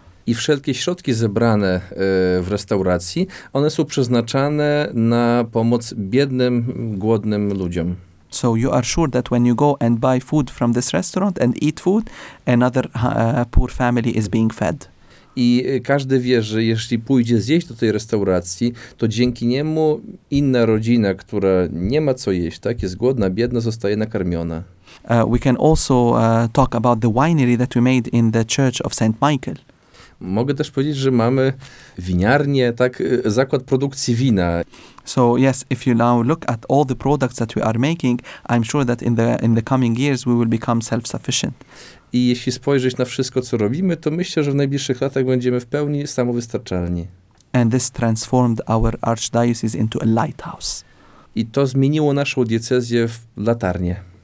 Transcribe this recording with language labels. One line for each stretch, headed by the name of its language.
Polish: I wszelkie środki zebrane w restauracji, one są przeznaczane na pomoc biednym, głodnym ludziom.
English: So you are sure that when you go and buy food from this restaurant and eat food, another poor family is being fed.
Polish: I każdy wie, że jeśli pójdzie zjeść do tej restauracji, to dzięki niemu inna rodzina, która nie ma co jeść, tak, jest głodna, biedna, zostaje nakarmiona.
English: We can also talk about the winery that we made in the Church of St. Michael.
Polish: Mogę też powiedzieć, że mamy winiarnię, tak, zakład produkcji wina.
English: So yes, if you now look at all the products that we are making, I'm sure that in the coming years we will become self-sufficient.
Polish: I jeśli spojrzeć na wszystko, co robimy, to myślę, że w najbliższych latach będziemy w pełni samowystarczalni.
English: And this transformed our archdiocese into a lighthouse.
Polish: I to zmieniło naszą diecezję w latarnię.